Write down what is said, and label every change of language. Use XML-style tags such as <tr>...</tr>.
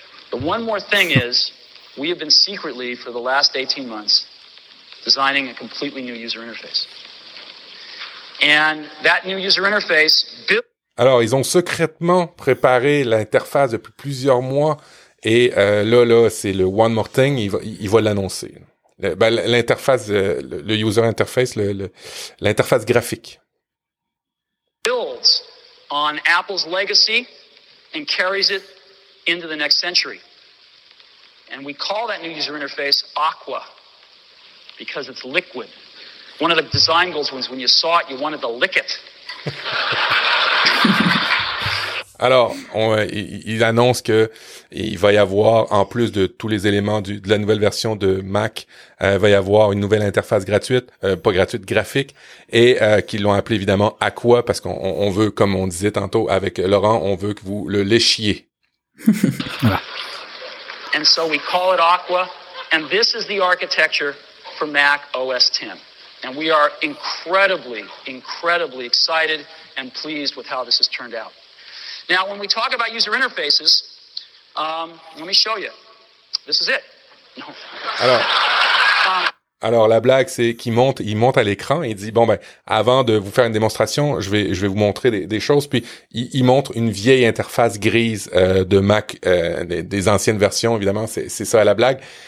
<en>The one more thing is, we have been secretly, for the last 18 months, designing a completely new user interface. And that new user interface...</en> <fr>Alors, ils ont secrètement préparé l'interface depuis plusieurs mois, et là, c'est le</fr> <en>one more thing,</en> <fr>il va l'annoncer. L'interface, le user interface, l'interface graphique.</fr> <en>...builds on Apple's legacy and carries it into the next century. And we call that new user interface Aqua, because it's liquid. One of the design goals was when you saw it, you wanted to lick it.</en> <fr>Alors, il annonce que il va y avoir, en plus de tous les éléments de la nouvelle version de Mac, va y avoir une nouvelle interface gratuite, pas gratuite, graphique, et qu'ils l'ont appelé évidemment Aqua, parce qu'on veut, comme on disait tantôt avec Laurent, on veut que vous le léchiez. Voilà.</fr> <en>And so we call it Aqua, and this is the architecture for Mac OS X. And we are incredibly, incredibly excited and pleased with how this has turned out. Now, when we talk about user interfaces, let me show you. This is it. No.</en> <fr>Alors, la blague, c'est qu'il monte, à l'écran et il dit, bon, ben, avant de vous faire une démonstration, je vais vous montrer des choses. Puis, il montre une vieille interface grise de Mac, des anciennes versions, évidemment, c'est ça la blague.</fr>